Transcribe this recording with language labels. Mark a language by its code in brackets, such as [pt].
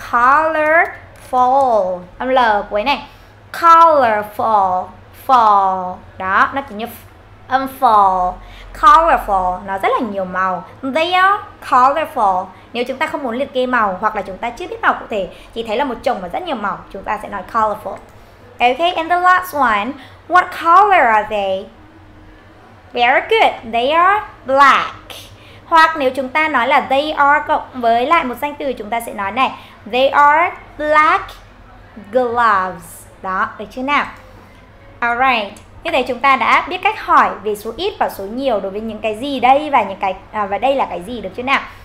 [vi] Colorful. Âm L cuối này. Colorful. Fall. Đó, nó chỉ như âm fall. Colorful, nó rất là nhiều màu. [en] They are colorful. [vi] Nếu chúng ta không muốn liệt kê màu hoặc là chúng ta chưa biết màu cụ thể, chỉ thấy là một chồng và rất nhiều màu, chúng ta sẽ nói colorful. [en] Ok, and the last one, what color are they? Very good, they are black. [vi] Hoặc nếu chúng ta nói là they are cộng với lại một danh từ, chúng ta sẽ nói này, [en] they are black gloves. [vi] Đó, được chưa nào? Alright, như thế chúng ta đã biết cách hỏi về số ít và số nhiều đối với những cái gì đây và những cái và đây là cái gì, được chưa nào?